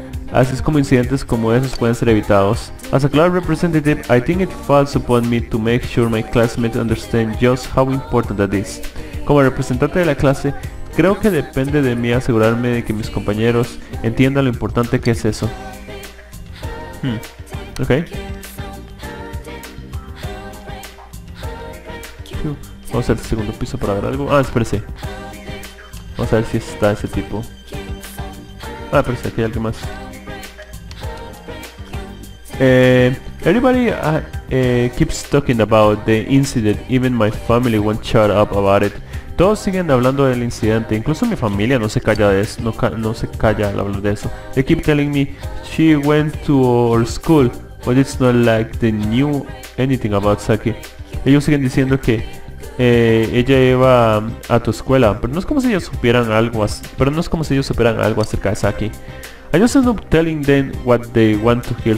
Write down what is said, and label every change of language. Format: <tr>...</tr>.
<es>Así es como incidentes como esos pueden ser evitados.</es> <en>As a class representative, I think it falls upon me to make sure my classmates understand just how important that is.</en> <es>Como representante de la clase, creo que depende de mí asegurarme de que mis compañeros entiendan lo importante que es eso. Ok. Vamos al segundo piso para ver algo. Ah, espérese. Vamos a ver si está ese tipo. Ah, pero si aquí hay alguien más.</es> <en>Everybody keeps talking about the incident. Even my family won't shut up about it.</en> <es>Todos siguen hablando del incidente. Incluso mi familia no se calla de eso. No se calla al hablar de eso.</es> <en>They keep telling me she went to our school, but it's not like they knew anything about Saki.</en> <es>Ellos siguen diciendo que ella iba a tu escuela, pero no es como si ellos supieran algo acerca de Saki.</es> <en>I just end up telling them what they want to hear.</en>